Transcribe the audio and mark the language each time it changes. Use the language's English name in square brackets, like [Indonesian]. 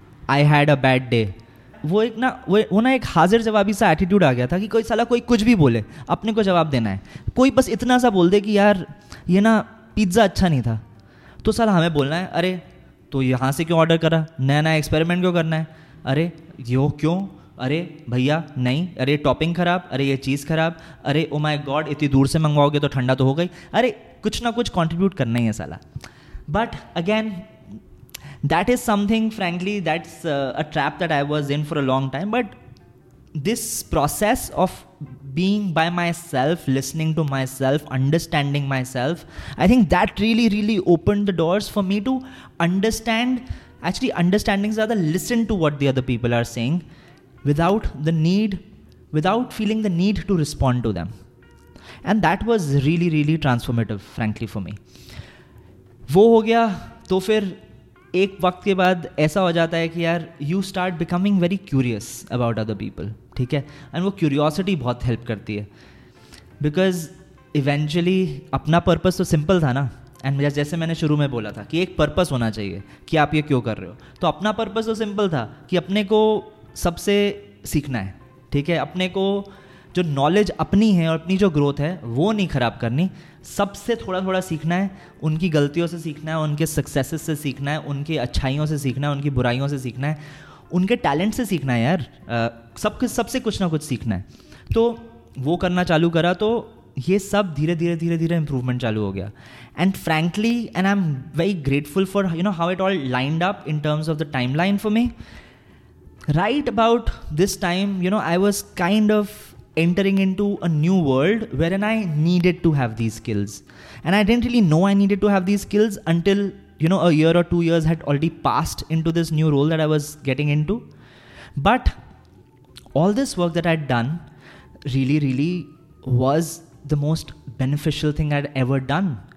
[Hindi] I had a bad day, वो एक हाजिर जवाबी सा एटीट्यूड आ गया था कि कोई साला कोई कुछ भी बोले अपने को जवाब देना है, कोई बस इतना सा बोल दे कि यार ये ना पिज्ज़ा अच्छा नहीं था, तो साला हमें बोलना है अरे तो यहाँ से क्यों ऑर्डर करा, नया नया एक्सपेरिमेंट क्यों करना है, अरे यो क्यों, अरे भैया नहीं, अरे टॉपिंग ख़राब, अरे ये चीज़ ख़राब, अरे ओ माई गॉड इतनी दूर से मंगवाओगे तो ठंडा तो हो गई, अरे कुछ ना कुछ कॉन्ट्रीब्यूट करना ही है साला। [English] But again that is something frankly that's a trap that I was in for a long time, but this process of being by myself, listening to myself, understanding myself, I think that really really opened the doors for me to understand, actually understanding is rather listen to what the other people are saying without the need, without feeling the need to respond to them, and that was really really transformative frankly for me. [Hindi] Wo ho gaya to fir एक वक्त के बाद ऐसा हो जाता है कि यार [English] You start becoming very curious about other people. [Hindi] ठीक है, एंड वो क्यूरियोसिटी बहुत हेल्प करती है, बिकॉज इवेंचुअली अपना पर्पस तो सिंपल था ना, एंड जैसे मैंने शुरू में बोला था कि एक पर्पस होना चाहिए कि आप ये क्यों कर रहे हो, तो अपना पर्पस तो सिंपल था कि अपने को सबसे सीखना है। ठीक है, अपने को जो नॉलेज अपनी है और अपनी जो ग्रोथ है वो नहीं ख़राब करनी, सबसे थोड़ा थोड़ा सीखना है, उनकी गलतियों से सीखना है, उनके सक्सेसेस से सीखना है, उनके अच्छाइयों से सीखना है, उनकी बुराइयों से सीखना है, उनके टैलेंट से सीखना है यार, सबसे कुछ ना कुछ सीखना है। तो वो करना चालू करा तो ये सब धीरे धीरे धीरे धीरे इंप्रूवमेंट चालू हो गया, and frankly and [English] I am very grateful for you know how it all lined up in terms of the time line for me. Right about this time you know I was kind of entering into a new world wherein I needed to have these skills, and I didn't really know I needed to have these skills until you know a year or 2 years had already passed into this new role that I was getting into, but all this work that I'd done really really was the most beneficial thing I'd ever done.